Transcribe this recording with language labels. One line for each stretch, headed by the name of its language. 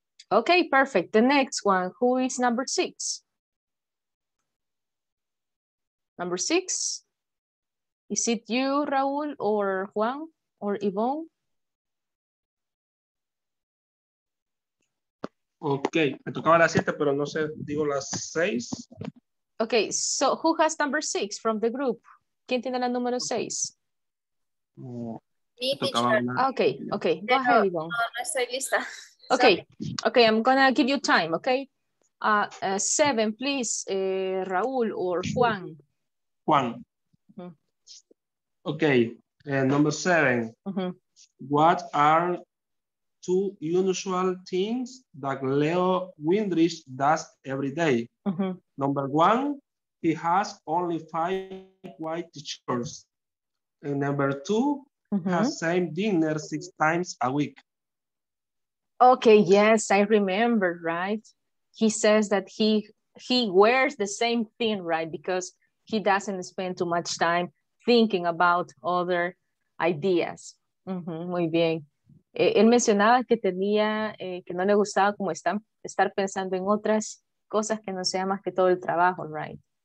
English: Okay, perfect. The next one, who is number 6? Number 6, is it you, Raul, or Juan, or Yvonne?
Spanish: Okay, me tocaba las 7, pero no sé, digo las 6.
English: Okay, so who has number 6 from the group?
Spanish: ¿Quién tiene la número 6?
English: Me, teacher. Okay, go ahead, Yvonne.
Spanish: No, no estoy lista.
English: Okay, I'm gonna give you time, okay? 7, please, Raul or Juan. Juan. Mm-hmm. Okay, number 7. Mm-hmm. What are 2 unusual things that Leo Windrich does every day? Mm-hmm. Number 1, he has only 5 white t-shirts. And number 2, mm-hmm. has same dinner 6 times a week. Okay, yes, I remember, right? He says that he wears the same thing, right? Because he doesn't spend too much time thinking about other ideas.
Spanish: Mm-hmm, muy bien. Él mencionaba que tenía, que no le gustaba como estar pensando en otras cosas que no sea más que todo el trabajo, right?